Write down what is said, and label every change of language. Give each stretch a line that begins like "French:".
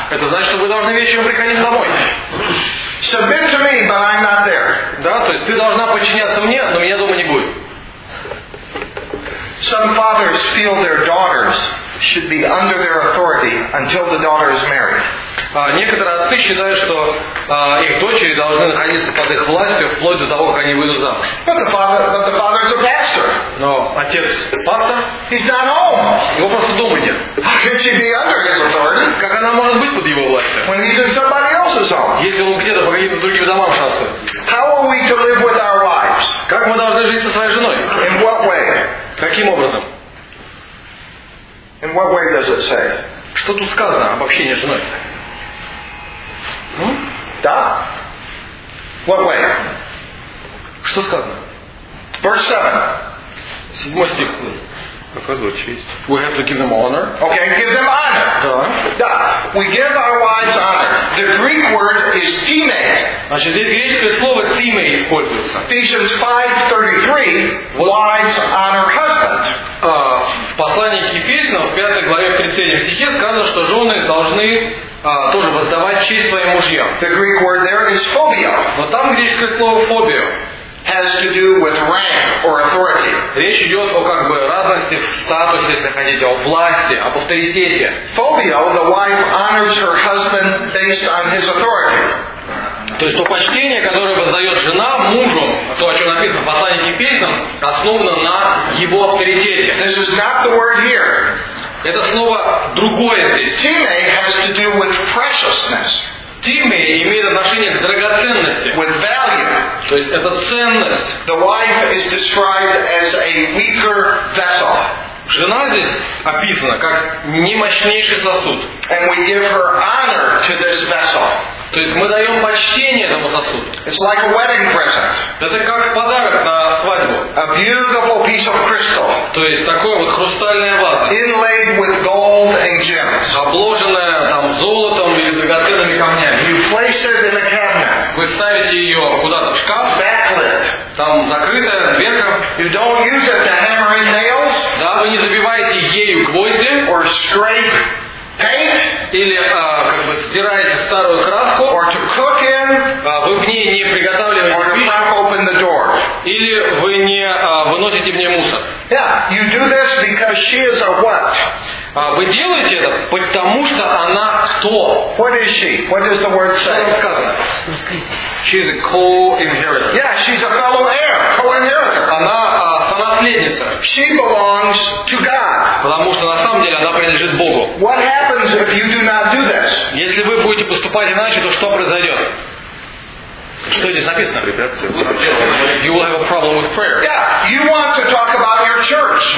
Russian: Это значит, что вы должны вечером приходить домой.
English: Submit to me, but I'm not there.
Russian: Да, то есть ты должна подчиняться мне, но меня дома не будет.
English: Some fathers feel their daughters should be under their authority until the daughter is married.
Russian: Некоторые отцы считают, что их дочери должны находиться под их властью вплоть до того, как они выйдут замуж.
English: But the father is a pastor.
Russian: Но отец пастор.
English: He's not home.
Russian: Его просто дома нет.
English: How can she be under his authority?
Russian: Как она может быть под его властью?
English: When he's in somebody else's home.
Russian: Если он где-то по каким-то другим домам шастает.
English: How are we to live with our wives?
Russian: Как мы должны жить со своей женой?
English: In what way?
Russian: Каким образом?
English: In what way does it say?
Russian: Что тут сказано об общении с женой? Да?
English: What way?
Russian: Что сказано?
English: Verse 7.
Russian: Седьмой стих. Показывать честь.
English: We have to give them honor. Okay, give them honor.
Russian: Да. Да.
English: We give our wives honor. The Greek word is time.
Russian: Значит, здесь греческое слово time используется.
English: Ephesians 5:33. Wives honor husband.
Russian: Послание к Ефесянам в 5 главе в 37 стихе сказано, что жены должны тоже воздавать честь своим мужьям.
English: The Greek word there is phobia.
Russian: Но там греческое слово phobia.
English: Has to do with rank or authority.
Russian: Речь идет о как бы разности в статусе, если хотите, о власти, об авторитете.
English: Phobia, the wife honors her husband based on his authority.
Russian: То есть то почтение, которое воздает жена мужу, то, о чем написано в послании к Ефесянам, основано на его авторитете.
English: This is not the word here.
Russian: Это слово другое здесь.
English: Time has to do with preciousness.
Russian: Тиме имеет отношение к драгоценности.
English: With value.
Russian: То есть это ценность.
English: The wife is described as a weaker vessel.
Russian: Жена здесь описана как немощнейший сосуд.
English: And we give her honor to this vessel.
Russian: То есть мы даем почтение этому сосуду.
English: It's like a wedding present.
Russian: Это как подарок на свадьбу.
English: A beautiful piece of crystal.
Russian: То есть такое вот хрустальная ваза.
English: Inlaid with gold and gems.
Russian: Обложенная там золотом или драгоценными камнями.
English: You place it in a cabinet.
Russian: Вы ставите ее куда-то в шкаф.
English: Backlit.
Russian: Там закрытая дверка.
English: You don't use it to hammer in nails.
Russian: Да, вы не забиваете ею гвозди.
English: Or scrape. Paint,
Russian: или как бы стираете старую краску,
English: or to cook in,
Russian: вы в ней не приготавливаете пищу,
English: or to open the door.
Russian: Или вы не выносите в ней мусор.
English: Yeah, you do this because she is a what?
Russian: Вы делаете это потому что она кто?
English: What is she? What does the word say?
Russian: Что сказано?
English: She's a co-inheritor. Yeah, she's a fellow heir, co-inheritor.
Russian: Она сонаследница.
English: She belongs to God.
Russian: Потому что на самом деле она принадлежит Богу.
English: What happens if you do not do this?
Russian: Если вы будете поступать иначе, то что произойдет? Что здесь написано?
English: You will have a problem with prayer. Yeah, you want to talk about your church.